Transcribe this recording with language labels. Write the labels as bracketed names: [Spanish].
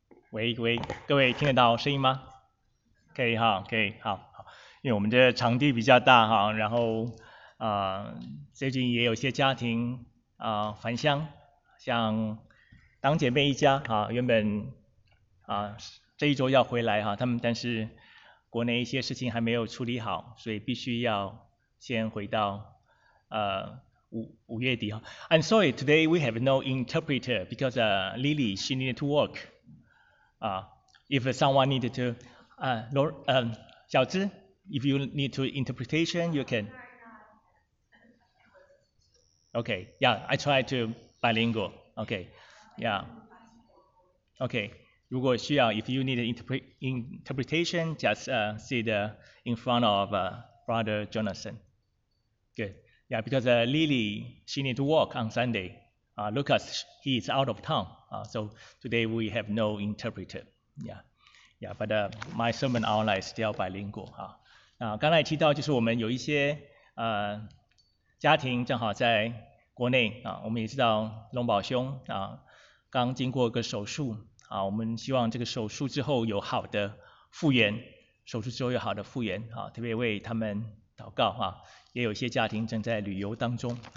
[Chinese] 喂喂，各位听得到声音吗？可以哈，可以，好，好，因为我们这场地比较大哈，然后最近也有些家庭返乡，像当姐妹一家哈，原本这一周要回来哈，他们但是国内一些事情还没有处理好，所以必须要先回到。 5月底 [English] I'm sorry, today we have no interpreter because Lily, she needed to work. If someone needed to, Xiao Zi, if you need to interpretation, you can. Okay, yeah, I try to bilingual. Okay, yeah. Okay, [Chinese] 如果需要, [English] if you need interpretation, just sit in front of Brother Jonathan. Good. Yeah, because Lily, she needs to work on Sunday. Lucas, he is out of town. So today we have no interpreter. Yeah, but my sermon online is still bilingual. [Chinese] 刚才提到就是我们有一些家庭正好在国内我们也知道龙宝兄刚经过一个手术我们希望这个手术之后有好的复原，手术之后有好的复原特别为他们祷告也有一些家庭正在旅游当中